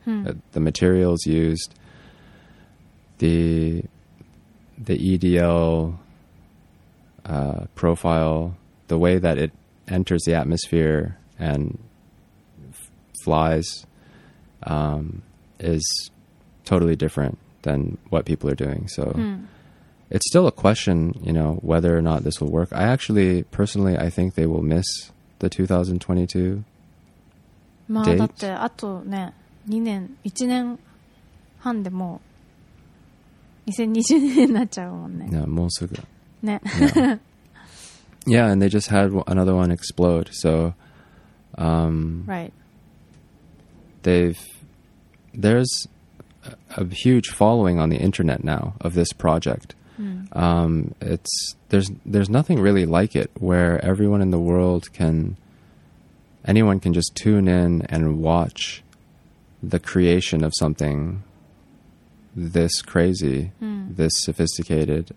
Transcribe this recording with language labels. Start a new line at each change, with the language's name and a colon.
English: The materials used, the EDL profile, the way that it enters the atmosphere and flies is totally different than what people are doing. So it's still a question, you know, whether or not this will work. I actually, personally, I think they will miss the 2022...
Japanese: まあ、だってあとね2年1年半でもう2020年になっちゃうもんね。いや、もうすぐね。
English: Yeah. Yeah, and they just had another one explode, so right, there's a huge following on the internet now of this project. There's nothing really like it where everyone in the world canAnyone can just tune in and watch the creation of something this crazy, this sophisticated.